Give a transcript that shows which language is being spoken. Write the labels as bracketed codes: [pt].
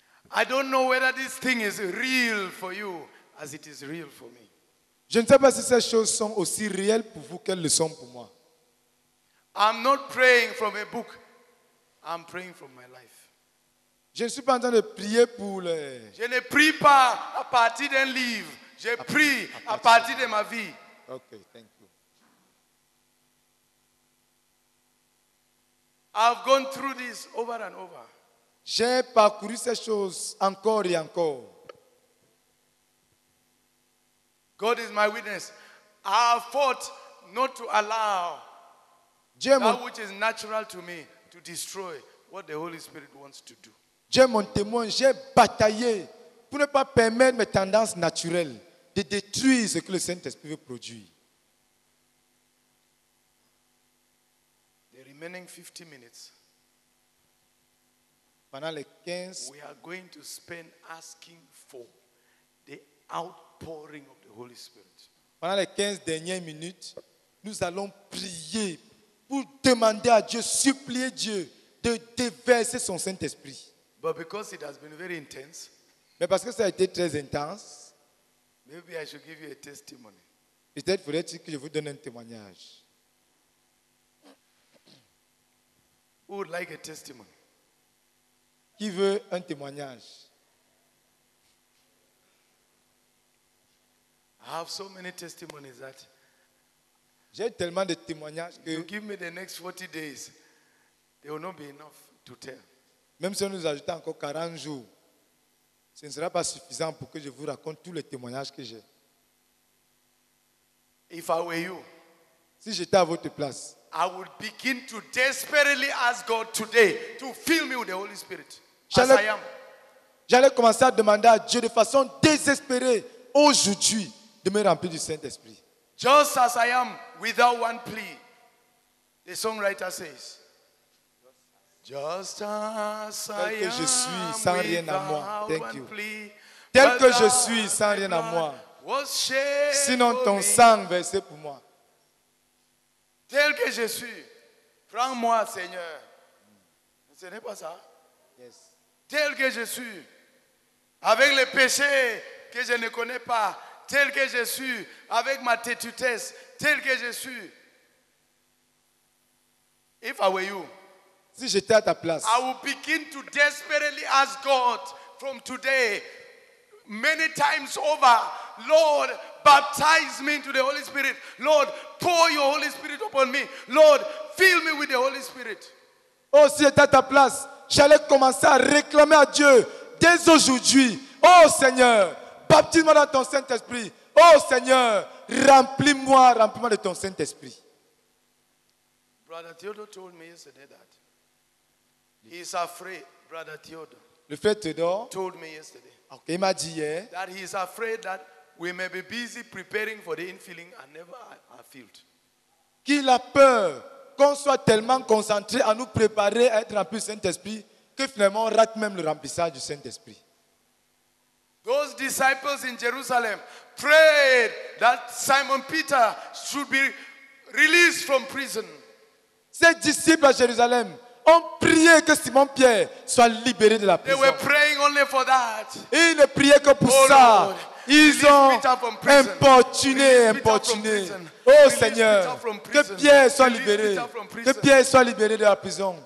[en] I don't know whether this thing is real for you as it is real for me. [fr] Je ne sais pas si ces choses sont aussi réelles pour vous qu'elles le sont pour moi. [en] I'm not praying from a book. I'm praying from my life. [fr] Je ne suis pas en train de prier pour le... Je ne prie pas à partir d'un livre. Je prie à partir de ma vie. [en] OK, thank you. I've gone through this over and over. [fr] J'ai parcouru ces choses encore et encore. [en] God is my witness. I fought not to allow that which is natural to me to destroy what the Holy Spirit wants to do. [fr] J'ai mon témoin, j'ai bataillé pour ne pas permettre mes tendances naturelles de détruire ce que le Saint-Esprit veut produire. [en] Remaining 50 minutes. [fr] Pendant les 15, [en] we are going to spend asking for the outpouring of the Holy Spirit. [fr] Pendant les 15 dernières minutes, nous allons prier pour demander à Dieu, supplier Dieu de déverser son Saint-Esprit. [en] But because it has been very intense, [fr] mais parce que ça a été très intense, [en] maybe I should give you a testimony. [fr] Peut-être faudrait-il que je vous donne un témoignage. [en] Who would like a testimony? [fr] Qui veut un témoignage? [en] I have so many testimonies that [fr] j'ai tellement de témoignages que [en] you give me the next 40 days, there will not be enough to tell. [fr] Même si on nous ajoute encore 40 jours, ce ne sera pas suffisant pour que je vous raconte tous les témoignages que j'ai. [en] If I were you, [fr] si j'étais à votre place, [en] I would begin to desperately ask God today to fill me with the Holy Spirit as I am. [fr] J'allais commencer à demander à Dieu de façon désespérée aujourd'hui de me remplir du Saint-Esprit. [en] Just as I am, without one plea. The songwriter says, just as I am, [fr] tel que je suis sans rien à moi. [en] Thank you. [fr] Tel que je suis sans rien à moi. Sinon ton sang versé pour moi. Tel que je suis, prends-moi, Seigneur. Ce n'est pas ça. [en] Yes. [fr] Tel que je suis, avec les péchés que je ne connais pas, tel que je suis, avec ma têtutesse, tel que je suis. [en] If I were you, [fr] si j'étais à ta place, [en] I would begin to desperately ask God from today, many times over, Lord, baptize me into the Holy Spirit. Lord, pour your Holy Spirit upon me. Lord, fill me with the Holy Spirit. [fr] Oh, si j'étais à ta place, j'allais commencer à réclamer à Dieu dès aujourd'hui. Oh Seigneur, baptise-moi dans ton Saint-Esprit. Oh Seigneur, remplis-moi de ton Saint-Esprit. [en] Brother Theodore told me yesterday that he's afraid, Brother Theodore. [fr] Le frère Theodore [en] told me yesterday. [fr] Okay, il m'a dit hier [en] that he is afraid that we may be busy preparing for the infilling and never are filled. [fr] Qu'il a peur qu'on soit tellement concentré à nous préparer à être rempli du Saint-Esprit que finalement on rate même le remplissage du Saint-Esprit. [en] Those disciples in Jerusalem prayed that Simon Peter should be released from prison. [fr] Ces disciples à Jérusalem ont prié que Simon Pierre soit libéré de la prison. [en] They were praying only for that. [fr] Et ils ne priaient que pour ça. Ils ont importuné. Oh Seigneur, que Pierre soit libéré. Que Pierre soit libéré de la prison.